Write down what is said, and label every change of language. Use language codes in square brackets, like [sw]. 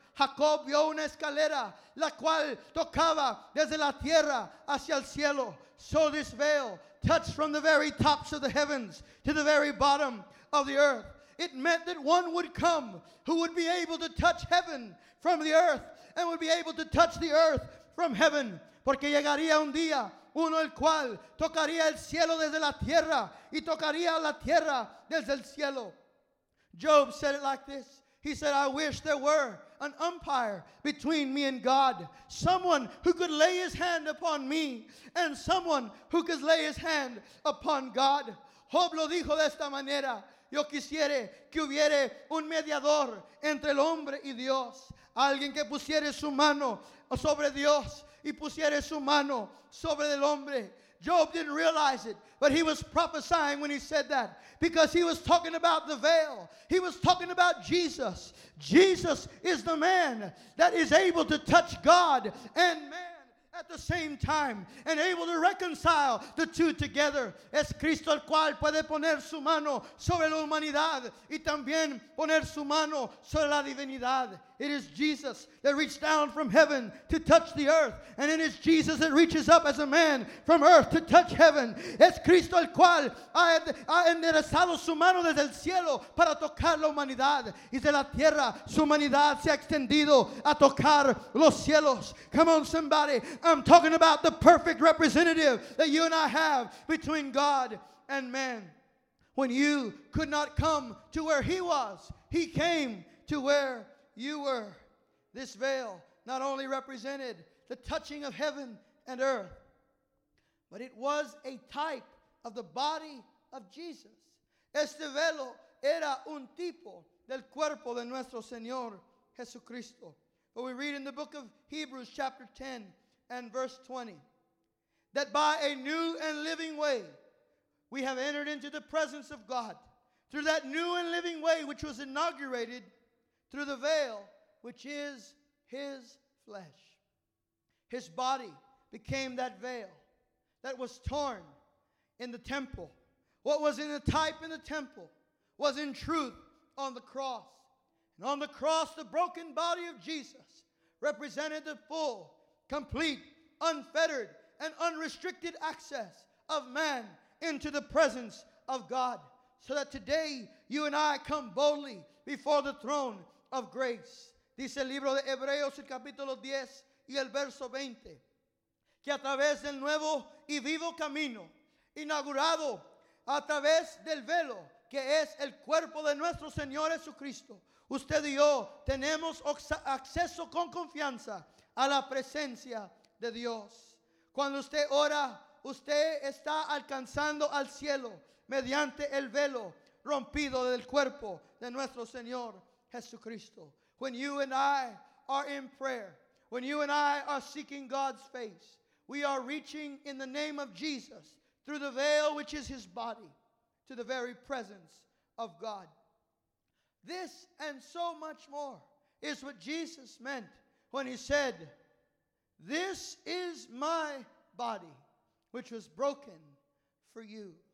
[es] Jacob vio una escalera la cual tocaba desde la tierra hacia el cielo. [en] So this veil touched from the very tops of the heavens to the very bottom of the earth. It meant that one would come who would be able to touch heaven from the earth and would be able to touch the earth from heaven. [es] Porque llegaría un día uno el cual tocaría el cielo desde la tierra y tocaría la tierra desde el cielo. [en] Job said it like this. He said, I wish there were an umpire between me and God. Someone who could lay his hand upon me and someone who could lay his hand upon God. [es] Job lo dijo de esta manera. Yo quisiera que hubiera un mediador entre el hombre y Dios. Alguien que pusiera su mano sobre Dios y pusiera su mano sobre el hombre. [en] Job didn't realize it, but he was prophesying when he said that, because he was talking about the veil. He was talking about Jesus. Jesus is the man that is able to touch God and man at the same time and able to reconcile the two together. [es] Es Cristo el cual puede poner su mano sobre la humanidad y también poner su mano sobre la divinidad. [en] It is Jesus that reached down from heaven to touch the earth. And it is Jesus that reaches up as a man from earth to touch heaven. [es] Es Cristo el cual ha enderezado su mano desde el cielo para tocar la humanidad. Y de la tierra su humanidad se ha extendido a tocar los cielos. [en] Come on, somebody. I'm talking about the perfect representative that you and I have between God and man. When you could not come to where he was, he came to where you were. This veil not only represented the touching of heaven and earth, but it was a type of the body of Jesus. [es] Este velo era un tipo del cuerpo de nuestro Señor Jesucristo. [en] But we read in the book of Hebrews chapter 10 and verse 20, that by a new and living way, we have entered into the presence of God through that new and living way which was inaugurated through the veil, which is his flesh. His body became that veil that was torn in the temple. What was in a type in the temple was in truth on the cross. And on the cross, the broken body of Jesus represented the full, complete, unfettered, and unrestricted access of man into the presence of God. So that today, you and I come boldly before the throne of grace. [es] Dice el libro de Hebreos, el capítulo 10 y el verso 20, que a través del nuevo y vivo camino inaugurado a través del velo que es el cuerpo de nuestro Señor Jesucristo, usted y yo tenemos acceso con confianza a la presencia de Dios. Cuando usted ora, usted está alcanzando al cielo mediante el velo rompido del cuerpo de nuestro Señor Jesucristo. [en] When you and I are in prayer, when you and I are seeking God's face, we are reaching in the name of Jesus through the veil which is his body to the very presence of God. This and so much more is what Jesus meant when he said, this is my body which was broken for you.